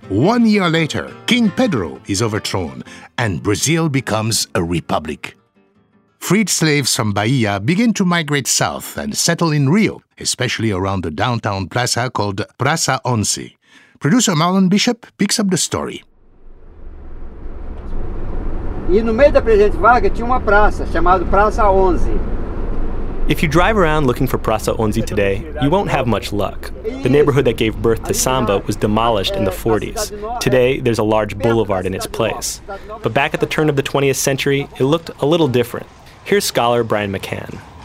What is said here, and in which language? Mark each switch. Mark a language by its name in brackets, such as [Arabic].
[English] 1 year later, King Pedro is overthrown and Brazil becomes a republic. Freed slaves from Bahia begin to migrate south and settle in Rio, especially around the downtown plaza called Praça 11. Producer Marlon Bishop picks up the story. [Portuguese] E no meio da Presidente Vargas tinha uma praça chamada Praça 11. [English] If you drive around looking for Praça 11 today, you won't have much luck. The neighborhood that gave birth to samba was demolished in the 40s. Today, there's a large boulevard in its place. But back at the turn of the 20th century, it looked a little different. Here's scholar Brian McCann.